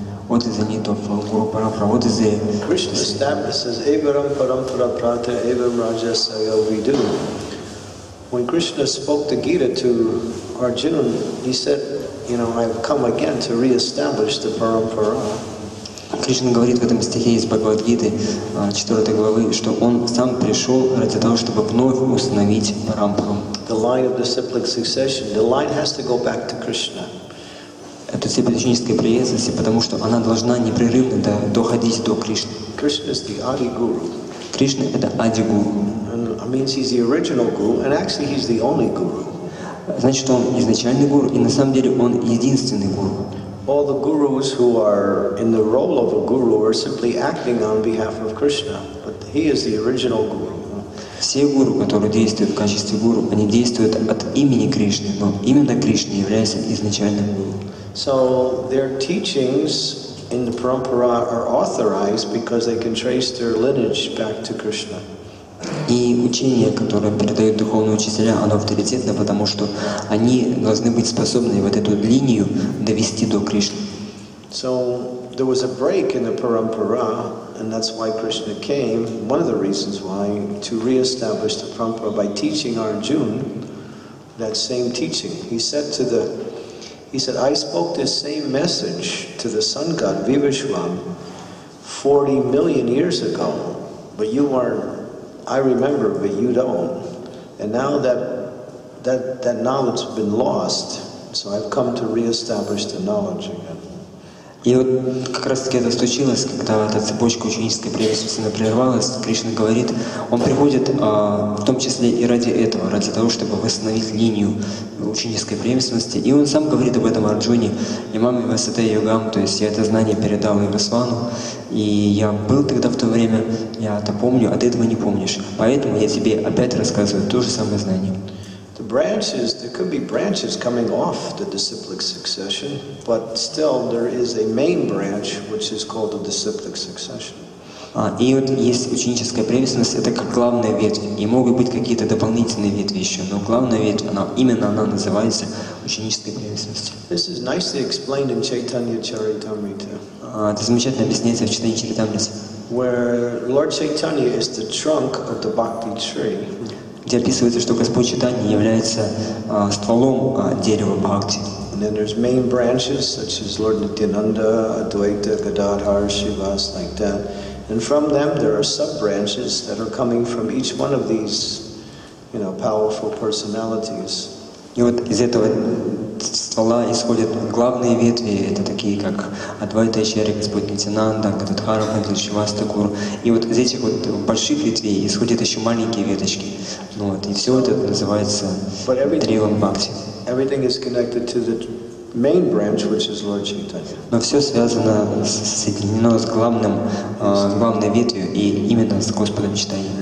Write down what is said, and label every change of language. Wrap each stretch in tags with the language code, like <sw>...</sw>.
<en>What is the need of Guru Parampara? What is the... Krishna establishes</en> <sa>Evaram Parampara Prata Evam Rajasaya Vidu.</sa> <en>When Krishna spoke the Gita to Arjuna, he said, you know, I've come again to re-establish the Parampara.</en> <ru>Кришна говорит в этом стихе из Бхагавад-гиты, 4 главы, что он сам пришел ради того, чтобы вновь установить парампару.</ru> <en>The line of the cyclic succession, the line has to go back to Krishna.</en> <ru>Это цепь ученической преемственности, потому что она должна непрерывно доходить до Кришны.</ru> <en>Krishna is the Adi Guru.</en> <ru>Кришна это Ади Гуру.</ru> <en>That means he's the original Guru, and actually he's the only Guru.</en> <ru>Значит, он изначальный Гуру, и на самом деле он единственный Гуру.</ru> <en>All the gurus who are in the role of a guru are simply acting on behalf of Krishna, but he is the original guru.</en> <ru>Все гуру, которые действуют в качестве гуру, они действуют от имени Кришны, но именно Кришна является изначальным гуру.</ru> <en>So their teachings in the parampara are authorized because they can trace their lineage back to Krishna.</en> <ru>И учение, которое передают духовные учителя, оно авторитетно, потому что они должны быть способны вот эту линию довести до Кришны.</ru> <en>So there was a break in the parampara, and that's why Krishna came. One of the reasons why to re-establish the parampara by teaching Arjuna that same teaching. He said, I spoke this same message to the sun god Vibhishwam 40 million years ago, but you weren't. I remember, but you don't. And now that knowledge has been lost, so I've come to re-establish the knowledge again.</en> <ru>И вот как раз таки это случилось, когда эта цепочка ученической преемственности прервалась. Кришна говорит, он приходит в том числе и ради этого, ради того, чтобы восстановить линию ученической преемственности. И он сам говорит об этом Арджуне,</ru> <sa>имаме Васате Йогам,</sa> <ru>то есть я это знание передал Ивасвану, и я был тогда в то время, я это помню, а ты этого не помнишь. Поэтому я тебе опять рассказываю то же самое знание.</ru> <en>The branches, there could be branches coming off the disciplic succession, but still there is a main branch which is called the disciplic succession.</en> <ru>И вот есть ученическая преемственность, это как главная ветвь. И могут быть какие-то дополнительные ветви еще, но главная ветвь, она, именно она называется ученической преемственностью.</ru> <en>This is nicely explained in Chaitanya Charitamrita.</en> <ru>Это замечательно объясняется в Чайтанья Чаритамрите.</ru> <en>Where Lord Chaitanya is the trunk of the bhakti tree.</en> <ru>Где описывается, что Господь Чайтанья является стволом дерева бхакти.</ru> <en>And then there's main branches, such as Lord Nityananda, Advaita, Gadadhar, Shivas, like that. And from them, there are sub-branches that are coming from each one of these, you know, powerful personalities.</en> <ru>И вот из этого ствола исходят главные ветви, это такие как Адвайта Ачарья, Господь Нитинанда, Гададхара, Мудри, Шивастакур. И вот из этих вот больших ветвей исходят еще маленькие веточки. Ну вот, и все это называется Древом Бхакти.</ru> <en>Everything is connected to the main branch, which is Lord Chaitanya.</en> <ru>Но все связано, соединено с главным, главной ветвью и именно с Господом Чайтаньей.</ru>